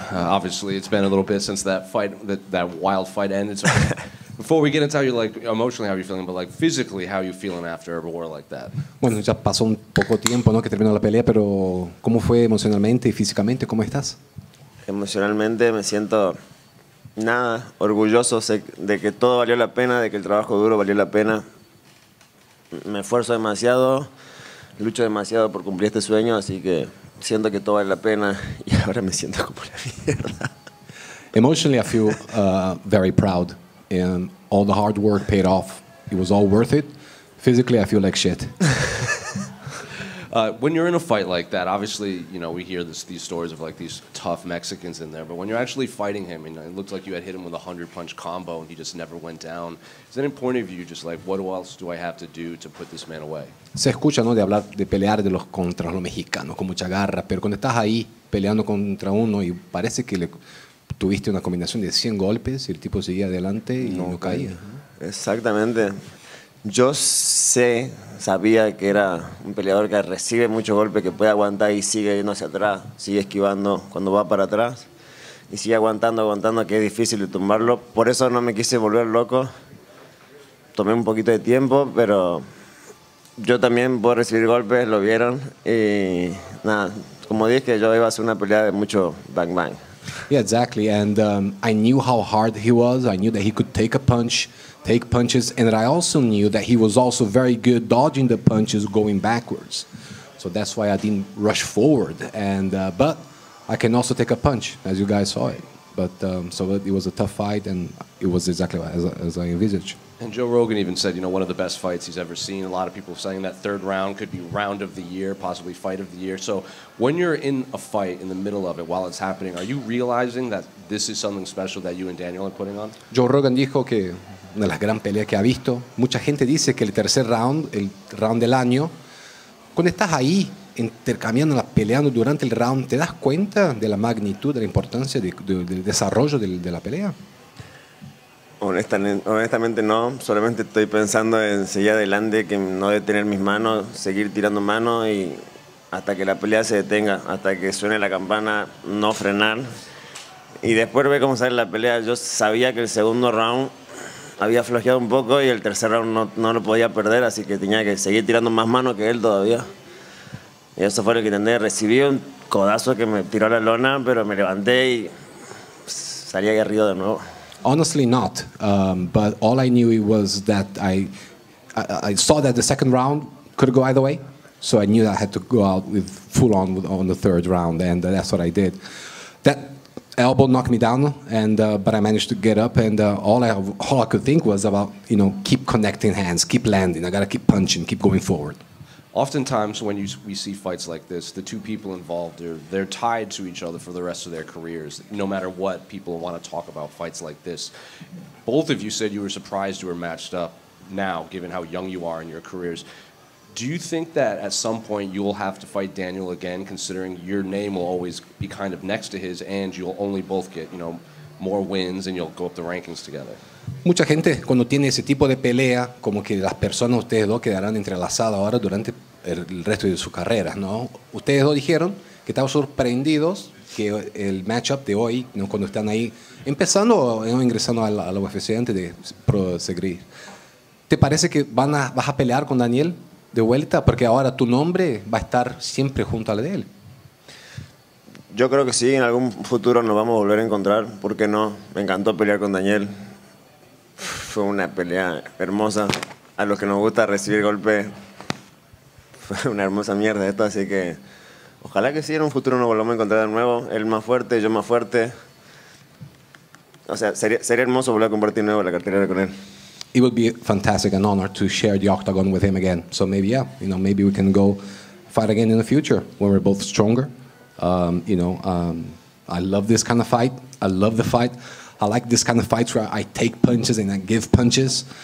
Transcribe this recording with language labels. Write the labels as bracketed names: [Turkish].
[English] Obviously, it's been a little bit since that fight, that wild fight ended. So before we get into how you're like emotionally, how you're feeling, but like physically, how you feeling after a war like that? [Spanish] Bueno, ya pasó un poco tiempo, ¿no? Que terminó la pelea, pero ¿cómo fue emocionalmente y físicamente? ¿Cómo estás? Emocionalmente me siento nada, orgulloso de que todo valió la pena, de que el trabajo duro valió la pena. Me esfuerzo demasiado, lucho demasiado por cumplir este sueño, así que siento que todo vale la pena y ahora me siento como la mierda. [English] Emotionally, I feel very proud. And all the hard work paid off. It was all worth it. Physically, I feel like shit. When you're in a fight like that, obviously, you know, we hear these stories of like these tough Mexicans in there. But when you're actually fighting him, and you know, it looked like you had hit him with a 100-punch combo, and he just never went down. Is that important of you? Just like, what else do I have to do to put this man away? [Spanish] Se escucha, ¿no? De hablar, de pelear de los contra los mexicanos con mucha garra. Pero cuando estás ahí peleando contra uno y parece que le tuviste una combinación de 100 golpes y el tipo seguía adelante y no caía. Exactamente. Yo sabía que era un peleador que recibe muchos golpes, que puede aguantar y sigue yendo hacia atrás, sigue esquivando cuando va para atrás y sigue aguantando, que es difícil de tumbarlo. Por eso no me quise volver loco. Tomé un poquito de tiempo, pero yo también puedo recibir golpes, lo vieron. Y nada, como dije, yo iba a hacer una pelea de mucho bang bang. [English] Yeah, exactly. And I knew how hard he was. I knew that he could take punches. And I also knew that he was also very good dodging the punches going backwards. So that's why I didn't rush forward. And but I can also take a punch, as you guys saw it. But so it was a tough fight, and it was exactly as I envisaged. And Joe Rogan even said, you know, one of the best fights he's ever seen. A lot of people saying that third round could be round of the year, possibly fight of the year. So when you're in a fight, in the middle of it, while it's happening, are you realizing that this is something special that you and Daniel are putting on? [Spanish] Joe Rogan dijo que una de las grandes peleas que ha visto, mucha gente dice que el tercer round, el round del año, cuando estás ahí intercambiando, peleando durante el round, ¿te das cuenta de la magnitud, de la importancia del desarrollo de la pelea? Honestamente no, solamente estoy pensando en seguir adelante, que no detener mis manos, seguir tirando manos y hasta que la pelea se detenga, hasta que suene la campana, no frenar. Y después ve cómo sale la pelea. Yo sabía que el segundo round había flojeado un poco y el tercer round no lo podía perder, así que tenía que seguir tirando más manos que él todavía. Y eso fue lo que intenté. Recibí un codazo que me tiró a la lona, pero me levanté y salí aguerrido de nuevo. [English] Honestly, not. But all I knew was that I saw that the second round could go either way. So I knew that I had to go out with full on the third round, and that's what I did. That elbow knocked me down, but I managed to get up. And all I could think was about, you know, keep connecting hands, keep landing. I gotta keep punching, keep going forward. Oftentimes, when we see fights like this, the two people involved, they're tied to each other for the rest of their careers, no matter what people want to talk about fights like this. Both of you said you were surprised you were matched up now, given how young you are in your careers. Do you think that at some point you'll have to fight Daniel again, considering your name will always be kind of next to his, and you'll only both get, you know, more wins, and you'll go up the rankings together? [Spanish] Mucha gente cuando tiene ese tipo de pelea, como que las personas, ustedes dos, quedarán entrelazadas ahora durante el resto de su carrera, ¿no? Ustedes dos dijeron que estaban sorprendidos que el matchup de hoy, ¿no?, cuando están ahí empezando o ingresando a la UFC antes de proseguir. ¿Te parece que vas a pelear con Daniel de vuelta? Porque ahora tu nombre va a estar siempre junto al de él. Yo creo que sí, en algún futuro nos vamos a volver a encontrar. ¿Por qué no? Me encantó pelear con Daniel. Fue una pelea hermosa. A los que nos gusta recibir golpes, fue una hermosa mierda esto. Así que ojalá que sí, en un futuro nos volvamos a encontrar de nuevo. Él más fuerte, yo más fuerte. O sea, sería hermoso volver a compartir nuevo la cartera con él. [English] It would be fantastic, an honor to share the octagon with him again. So maybe, yeah, you know, maybe we can go fight again in the future when we're both stronger. You know, I love this kind of fight. I love the fight. I like this kind of fights where I take punches and I give punches.